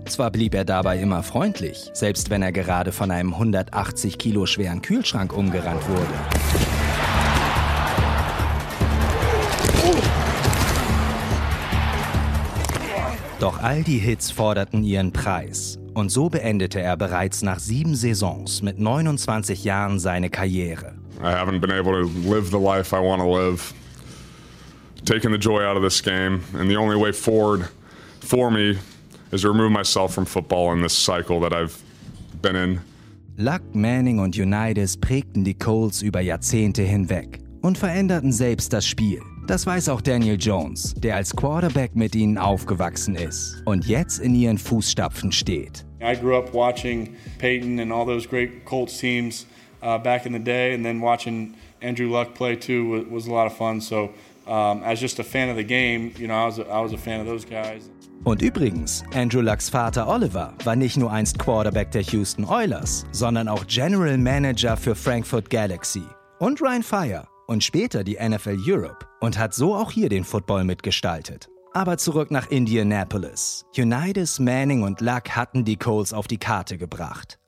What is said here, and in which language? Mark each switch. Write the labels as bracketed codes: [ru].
[de] Zwar blieb er dabei immer freundlich, selbst wenn er gerade von einem 180 Kilo schweren Kühlschrank umgerannt wurde. Doch all die Hits forderten ihren Preis. Und so beendete er bereits nach 7 Saisons mit 29 Jahren seine Karriere. [en] I haven't been able to live the life I want to live. Taking the joy out of this game. And the only way forward for me is to remove myself from football in this cycle that I've been in. [de] Luck, Manning und Unitas prägten die Colts über Jahrzehnte hinweg und veränderten selbst das Spiel. Das weiß auch Daniel Jones, der als Quarterback mit ihnen aufgewachsen ist und jetzt in ihren Fußstapfen steht. [en] I grew up watching Peyton and all those great Colts teams back in the day, and then watching Andrew Luck play too was a lot of fun. So as just a fan of the game, you know, I was a fan of those guys. [de] Und übrigens, Andrew Lucks Vater Oliver war nicht nur einst Quarterback der Houston Oilers, sondern auch General Manager für Frankfurt Galaxy und Ryan Fire. Und später die NFL Europe und hat so auch hier den Football mitgestaltet. Aber zurück nach Indianapolis. Unitas, Manning und Luck hatten die Colts auf die Karte gebracht.